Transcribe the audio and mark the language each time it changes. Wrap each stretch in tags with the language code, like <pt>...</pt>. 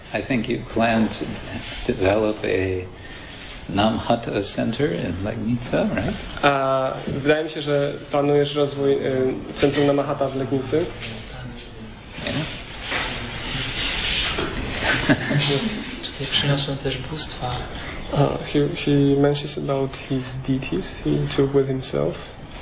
<en>I think you plan to develop a Namhata Center in Legnica, right?</en> <pl>A wydaje mi się, że planujesz rozwój centrum Namahata w Legnicy. Tutaj przyniosłem też bóstwa.</pl> <en>He mentions about his deities he took with himself.</en>